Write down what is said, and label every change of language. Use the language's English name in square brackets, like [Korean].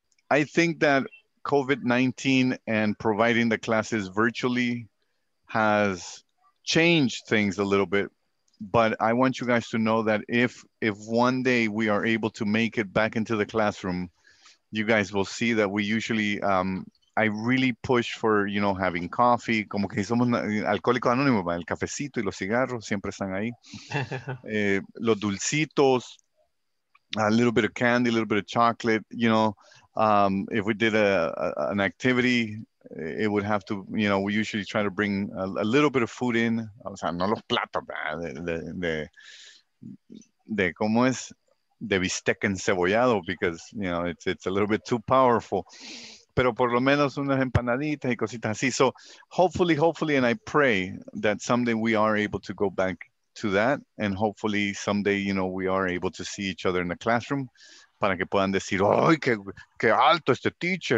[English] I think that COVID-19 and providing the classes virtually has change things a little bit, but I want you guys to know that if one day we are able to make it back into the classroom, you guys will see that we usually I really push for, you know, having coffee, [Spanish] como que somos alcohólico anónimo, el cafecito y los cigarros siempre están ahí. Los dulcitos, [English] a little bit of candy, a little bit of chocolate, you know. If we did an activity, it would have to, you know, we usually try to bring a little bit of food in. [Spanish] O sea, no los platos, ¿verdad? De cómo es, de bistec encebollado [English] because, you know, it's a little bit too powerful. [Spanish] Pero por lo menos unas empanaditas y cositas así. [English] So hopefully, and I pray that someday we are able to go back to that. And hopefully someday, you know, we are able to see each other in the classroom. [Spanish] Para que puedan decir, ¡ay, qué alto este teacher!